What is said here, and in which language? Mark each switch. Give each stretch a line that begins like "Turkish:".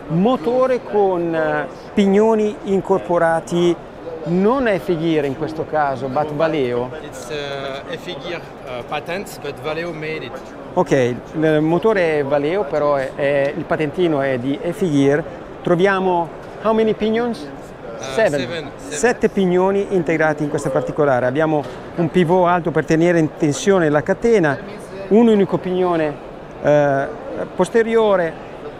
Italian: Motore con pignoni incorporati, non è Figuier in questo caso,
English: but Valeo. It's a Figuier patent, but Valeo made it.
Italian: Ok, il motore è Valeo, però è il patentino è di Figuier. Troviamo
English: how many pignons?
Italian: Sette pignoni integrati in questo particolare. Abbiamo un pivot alto per tenere in tensione la catena, un unico pignone posteriore.